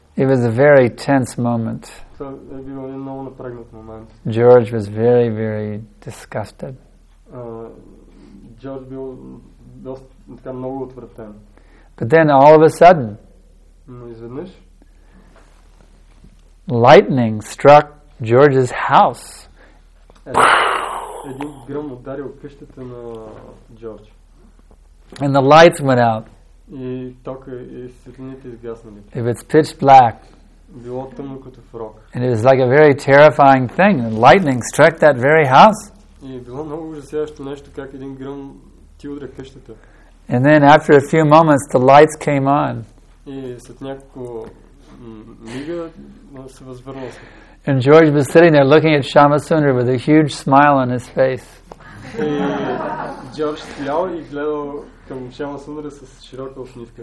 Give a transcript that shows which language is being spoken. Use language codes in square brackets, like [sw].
[en] It was a very tense moment. [bg] Това е било един много напрегнат момент. [en] George was very, very disgusted. [bg] George бил доста така много отвратен. [en] But then all of a sudden, [bg] но изведнъж, [en] lightning struck George's house. [bg] Един гръм ударил къщата на Джордж. [en] And the lights went out. [bg] И тока и светлините изгаснали. [en] If it's pitch black. [bg] Било тъмно като в рок. [en] And it was like a very terrifying thing. And lightning struck that very house. [bg] И било много ужасяващо нещо, как един гръм ти удря къщата. [en] And then after a few moments the lights came on. [bg] И след някакво мига се възвърна. [en] And George was sitting there looking at Shama Sundar with a huge smile on his face. [bg] И Джордж стоял и гледал към Шама Сундара с широка усмивка.